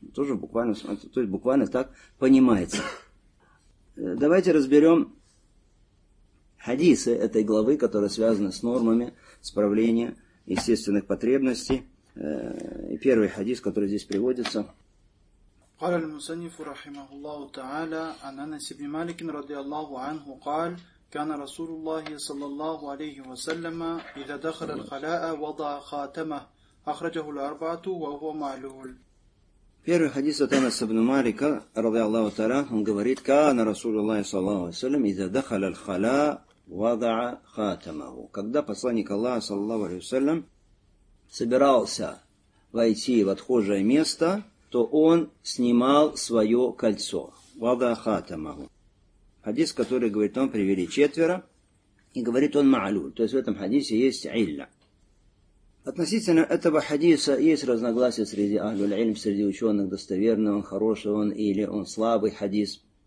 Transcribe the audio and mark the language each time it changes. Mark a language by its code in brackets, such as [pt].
[ru] Тоже в буквальном смысле, то есть буквально так понимается. Давайте разберем хадисы этой главы, которые связаны с нормами справления естественных потребностей. И первый хадис, который здесь приводится. [ar] قال المصنف رحمه الله تعالى عن أنس بن مالك رضي الله عنه قال كان رسول الله صلى الله عليه وسلم إذا دخل الخلاء وضع خاتمه أخرجه الأربعة وهو معلول. [ru] Первый хадис от Анас ибн Малика [ar] رضي الله تعالى عنه [ru] говорит [ar] كان رسول الله صلى الله عليه وسلم إذا دخل الخلاء وضع خاتمه. [ru] Когда посланник Аллаха [ar] صلى الله عليه وسلم [ru] собирался войти в отхожее место, то он снимал свое кольцо. [ar] Вада хатамаху. [ru] Хадис, который говорит, он привели четверо, и говорит он маалюль. То есть в этом хадисе есть илля. Относительно этого хадиса есть разногласия среди ахлюль-ильм, среди ученых, достоверный он, хороший он или он слабый хадис.